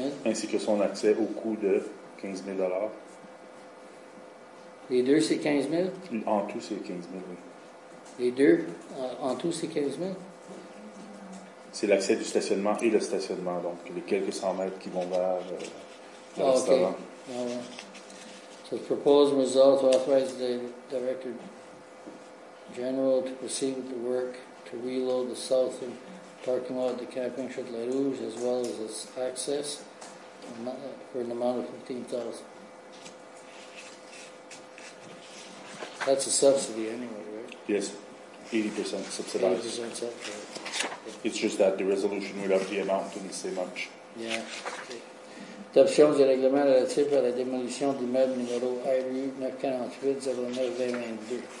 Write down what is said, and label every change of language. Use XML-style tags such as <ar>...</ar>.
<fr>ainsi que son accès au coût de 15 000 $ Les deux, c'est 15 000 En tout, c'est 15 000 oui. Les deux, en tout, c'est 15 000 C'est l'accès du stationnement et le stationnement, donc les quelques 100 mètres qui vont vers le restaurant. OK.</fr> <en>So, the proposed result authorized the director general to proceed with the work to reload the southern parking lot at the camping Chute-la-Rouge as well as its access for an amount of $15,000. That's a subsidy anyway, right? Yes. 80% subsidized. 80% subsidized. It's just that the resolution would have the amount to say much. Yeah.</en> <fr>Adoption du règlement relatif à la démolition d'immeuble numéro RU 948-09-22.</fr>